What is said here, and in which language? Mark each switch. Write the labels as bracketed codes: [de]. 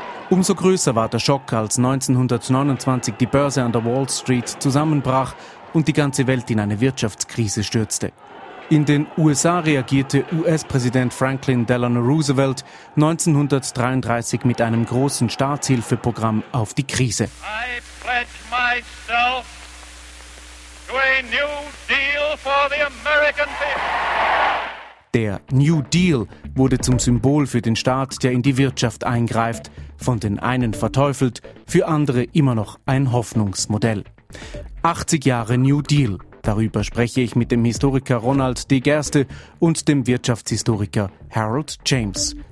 [de] Umso größer war der Schock, als 1929 die Börse an der Wall Street zusammenbrach und die ganze Welt in eine Wirtschaftskrise stürzte. In den USA reagierte US-Präsident Franklin Delano Roosevelt 1933 mit einem großen Staatshilfeprogramm auf die Krise. [en] I pledge myself to a new deal for the American people. [de] Der New Deal wurde zum Symbol für den Staat, der in die Wirtschaft eingreift, von den einen verteufelt, für andere immer noch ein Hoffnungsmodell. 80 Jahre New Deal. Darüber spreche ich mit dem Historiker Ronald D. Gerste und dem Wirtschaftshistoriker Harold James.